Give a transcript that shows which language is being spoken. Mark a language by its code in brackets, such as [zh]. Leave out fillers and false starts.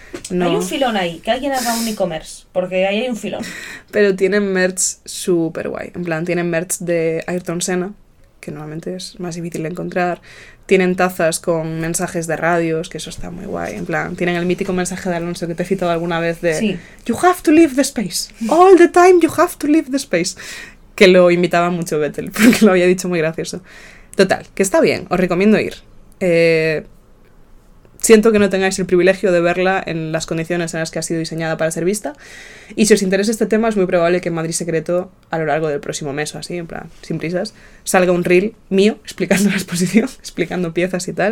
[es] Hay un filón ahí, que alguien haga un e-commerce, porque ahí hay un filón. Pero tienen merch súper guay. En plan, tienen merch de Ayrton Senna, que normalmente es más difícil de encontrar. Tienen tazas con mensajes de radios, que eso está muy guay. En plan, tienen el mítico mensaje de Alonso que te he citado alguna vez de... Sí. [en] You have to leave the space. All the time you have to leave the space. [es] Que lo imitaba mucho Vettel, porque lo había dicho muy gracioso. Total, que está bien, os recomiendo ir. Siento que no tengáis el privilegio de verla en las condiciones en las que ha sido diseñada para ser vista. Y si os interesa este tema, es muy probable que en Madrid Secreto, a lo largo del próximo mes o así, en plan, sin prisas, salga un reel mío explicando la exposición, explicando piezas y tal.